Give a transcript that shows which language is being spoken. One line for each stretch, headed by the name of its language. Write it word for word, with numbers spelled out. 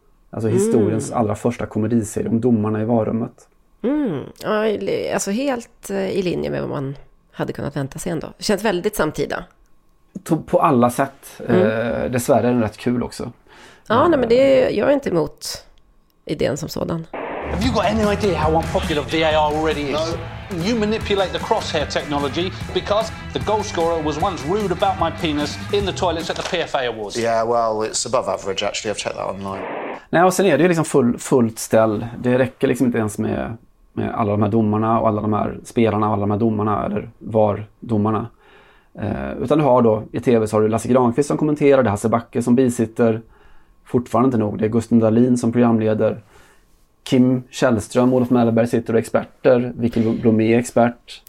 Swedish: Alltså historiens mm. allra första komediserie om domarna i varummet. Mm. Ja, alltså helt i linje med vad man hade kunnat vänta sig ändå. Det känns väldigt samtida. På alla sätt. Mm. Eh, dessvärre är den rätt kul också. Ja, nej, men det är, jag är inte emot idén som sådan.
English: Have you got any idea how unpopular V A R already is? No. You manipulate the crosshair technology because the goal scorer was once rude about my penis in the toilets at the P F A Awards. Yeah, well, it's above average actually. I've checked that online.
Swedish: Nej, och sen är det ju liksom full, fullt ställ. Det räcker liksom inte ens med, med alla de här domarna och alla de här spelarna och alla de här domarna eller var domarna. Eh, utan du har då, i tv så har du Lasse Granqvist som kommenterar, det är Hasse Backe som bisitter. Fortfarande inte nog, det är Gusten Dahlin som programleder. Kim Källström, Olof Mellberg sitter och experter, Vicky Blomé är expert.